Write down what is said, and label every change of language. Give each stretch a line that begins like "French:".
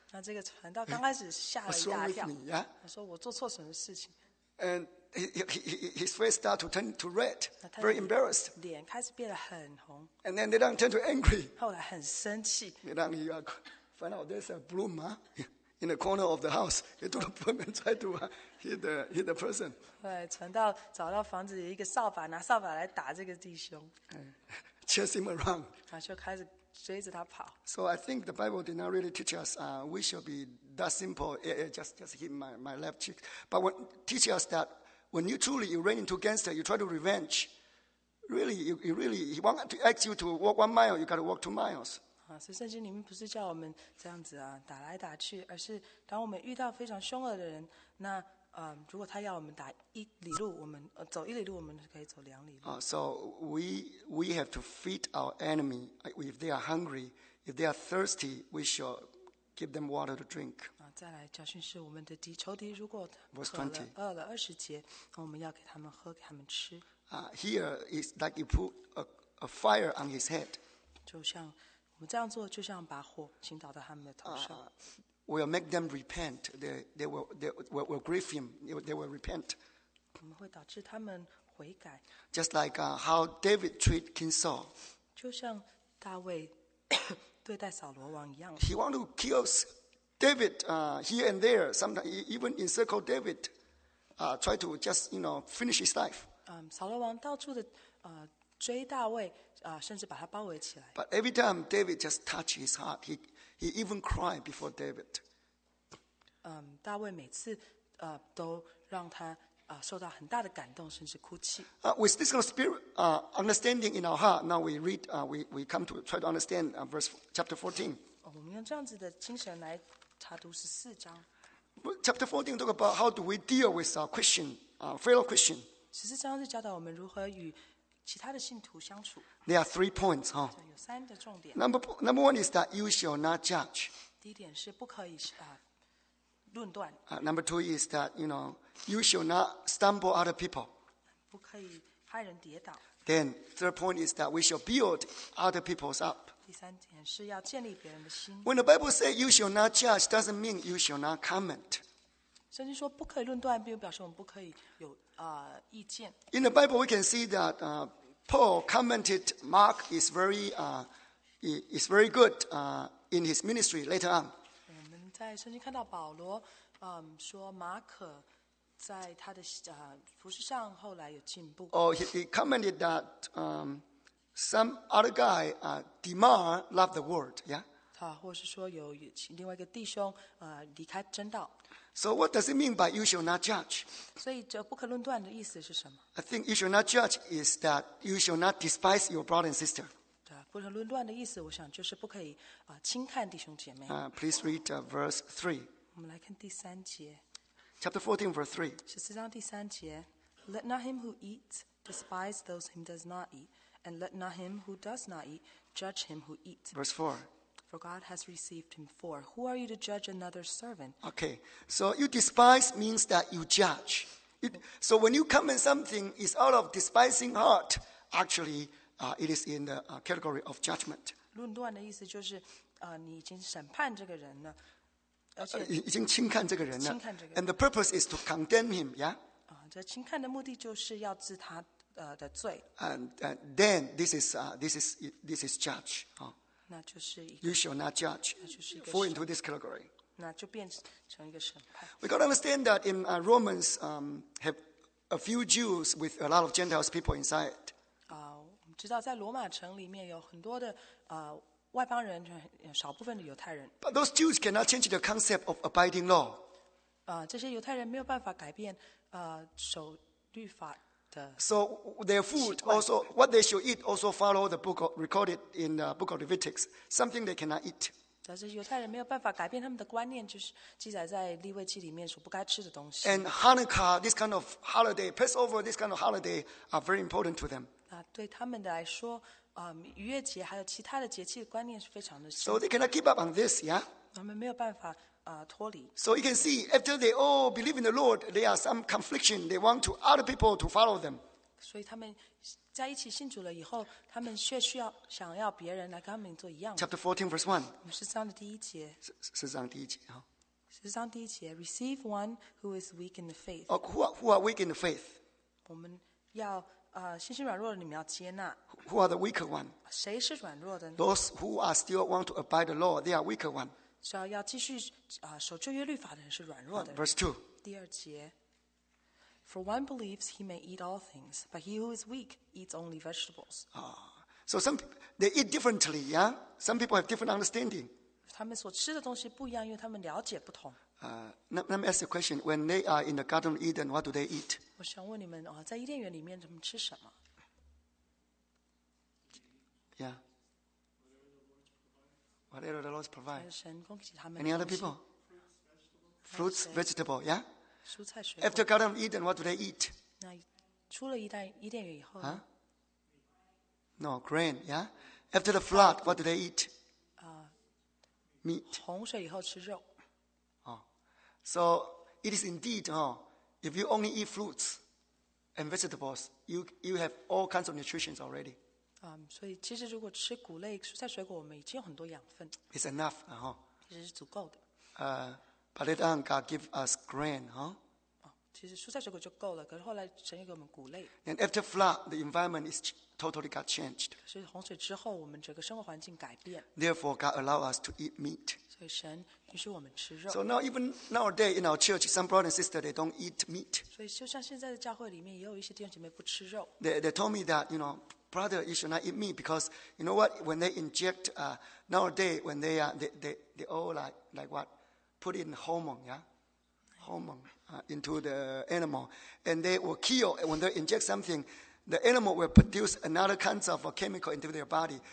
Chinese: 那这个传道刚开始吓了一大跳。
English: What's wrong with me? Yeah.
Chinese: 他说我做错什么事情？
English: And His face started to turn to red, very embarrassed.
Chinese: 脸开始变得很红。
English: And then they don't turn to angry.
Chinese: 后来很生气。
English: They don't you find out there's a broom, in the corner of the house. They took the broom and tried to hit the person.
Chinese: 对，传道找到房子里一个扫把，拿扫把来打这个弟兄。
English: Chase him around.
Chinese: 就开始追着他跑。
English: So I think the Bible did not really teach us, we should be that simple. Just hit my left cheek. But when teach us that. When you truly you ran into gangster, you try to revenge. Really, you really he wants to ask you to walk 1 mile, you got to walk 2 miles.
Chinese: 所以圣经里面不是叫我们这样子打来打去，而是当我们遇到非常凶恶的人，那如果他要我们打一里路，我们走一里路，我们可以走两里路。
English: So we have to feed our enemy. If they are hungry, if they are thirsty, we shall give them water to drink.
Chinese: 再来教训是我们的敌仇敌如果饿了二十节我们要给他们喝给他们吃、
English: Here is like you put a fire on his head
Chinese: 就像我们这样做就像把火倾倒到他们的头上、
English: We'll make them repent they will grieve him they will repent
Chinese: 我们会导致他们悔改
English: Just like how David treat King Saul
Chinese: 就像大卫对待扫罗王一样
English: He want to kill David, here and there, sometimes even encircle David, try to just you know finish his life.
Chinese: 扫罗王到处的追大卫，甚至把他包围起来。
English: But every time David just touch his heart, he even cry before David.
Chinese: 大卫每次都让他受到很大的感动，甚至哭泣。
English: With this kind of spirit, understanding in our heart, now we read, we come to try to understand verse chapter 14.
Chinese: 我们用这样子的精神来。
English: Chapter 14 talk about how do we deal with our Christian, fellow Christian.
Chinese: 十四章是教导我们如何与其他的信徒相处。
English: There are three points,
Chinese: 有三个重点。
English: Number one is that you shall not judge.
Chinese: 第一点是不可以论断。
English: Number two is that you know you shall not stumble other people.
Chinese: 不可以害人跌倒。
English: Then third point is that we shall build other people's up.
Chinese: 第三点是要建立别人的心。
English: When the Bible says you shall not judge, doesn't mean you shall not comment.
Chinese: 圣经说不可以论断，并表示我们不可以有意见。
English: In the Bible, we can see that Paul commented Mark is very is very good in his ministry later on.
Chinese: 我们在圣经看到保罗说马可在他的服事上后来有进步。
English: Oh, he commented that Some other guy, Demar, loved the word, yeah?
Chinese: 或是说有另外一个弟兄离开真道。
English: So what does it mean by you shall not judge?
Chinese: 所以这不可论断的意思是什么？
English: I think you shall not judge is that you shall not despise your brother and sister.
Chinese: 不可论断的意思我想就是不可以轻看弟兄姐妹。
English: Please read verse 3.
Chinese: 我们来看第三节。
English: Chapter 14, verse 3.
Chinese: 十四章第三节。
English: Let not him who eats despise those whom does not eat. And let not him who does not eat judge him who eats. Verse 4. For God has received him for. Who are you to judge another servant? Okay. So you despise means that you judge. So when you comment something, it's out of despising heart. Actually, it is in the category of judgment.
Chinese: 论断的意思就是你已经审判这个人了。已经轻看这个人了。
English: And the purpose is to condemn him, yeah?
Chinese: 这轻看的目的就是要治他。的罪
English: and then this is judge.
Chinese: 那就是一个
English: you shall not judge. Fall into this category.
Chinese: 那就变成一个审判
English: We got to understand that in Romans have a few Jews with a lot of Gentiles people inside.
Chinese: 知道在罗马城里面有很多的外邦人，少部分的犹太人。
English: But those Jews cannot change the concept of abiding law.
Chinese: 这些犹太人没有办法改变守律法的。
English: So their food also, what they should eat also follow the book of, recorded in the book of Leviticus, something they cannot eat.
Chinese: 但是犹太人没有办法改变他们的观念，就是记载在利未记里面所不该吃的东西。
English: And Hanukkah, this kind of holiday, Passover, this kind of holiday are very important to them.
Chinese: 对他们来说，逾越节还有其他的节气的观念是非常的。
English: So they cannot keep up on this, yeah.
Chinese: 他们没有办法脱离。
English: So you can see, after they all believe in the Lord, there are some confliction. They want to other people to follow them.
Chinese: 所以他们在一起信主了以后，他们却需要想要别人来跟他们做一样。
English: Chapter 14, verse 1.
Chinese: 十章的第一节。十章第一节。十章第一节。
English: Receive one who is weak in the faith. Who are weak in the faith?
Chinese: 我们要信心软弱的你们要接纳。
English: Who are the weaker one?
Chinese: 谁是软弱的呢？
English: Those who are still want to abide the law, they are weaker one.
Chinese: 所以要继续守旧约律法的人是软弱的人。
English: Verse 2.
Chinese: 第二节。
English: For one believes he may eat all things, but he who is weak eats only vegetables. So some they eat differently, yeah? Some people have different understanding.
Chinese: 他们所吃的东西不一样，因为他们了解不同。
English: Let me ask you a question. When they are in the Garden of Eden, what do they eat?
Chinese: 我想问你们，在伊甸园里面他们吃什么？
English: Yeah. Whatever the Lord provides.
Chinese: 神供给他们。
English: Any other people? Fruits, vegetable, yeah?
Chinese: 蔬菜水果。
English: After Garden of Eden, what do they eat?
Chinese: 那出了伊甸园以后呢？
English: No, grain, yeah. After the flood, what do they eat? Meat.
Chinese: 洪水以后吃肉。
English: So it is indeed, if you only eat fruits and vegetables, you have all kinds of nutrition already.
Chinese: 所以其实如果吃谷类、蔬菜水果，我们已经有很多养分。
English: It's enough,
Chinese: 其实是足够的。
English: But later on, God gave us grain, huh?
Chinese: 其实蔬菜水果就够了，可是后来神又给我们谷类。
English: And after flood, the environment is totally got changed.
Chinese: 是洪水之后，我们整个生活环境改变。
English: Therefore, God allowed us to eat meat.
Chinese: 所以神允许我们吃肉。
English: So now, even nowadays in our church, some brothers and sisters they don't eat meat.
Chinese: 所以就像现在的教会里面，也有一些弟兄姐妹不吃肉。
English: They told me that, you know, brother, you should not eat meat because you know what? When they inject, nowadays when they all like what? Put in hormone, yeah? Hormone into the animal. And they will kill, when they inject something, the animal will produce another kind of a chemical into their body.